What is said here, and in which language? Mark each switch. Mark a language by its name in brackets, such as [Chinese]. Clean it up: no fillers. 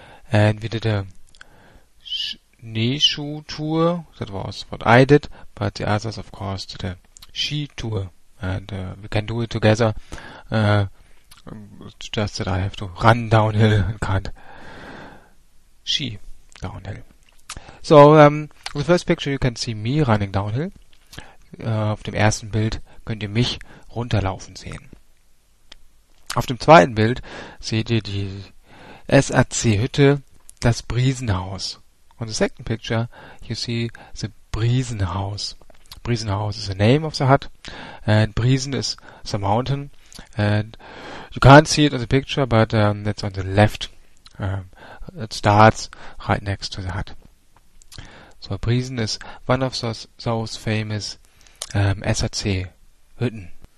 [English] And we did a Schneeschuh tour, that was what I did, but the others of course did a ski tour, and we can do it together. It's just that I have to run downhill and can't ski downhill. So the first picture you can see me running downhill. [German] Auf dem ersten Bild könnt ihr mich runterlaufen sehen. Auf dem zweiten Bild seht ihr die SAC-Hütte, das Briesenhaus. [English] On the second picture, you see the Briesenhaus. Briesenhaus is the name of the hut, and Briesen is the mountain. And you can't see it on the picture, but that's on the left. It starts right next to the hut. So Briesen is one of those famous SAC-Hütten.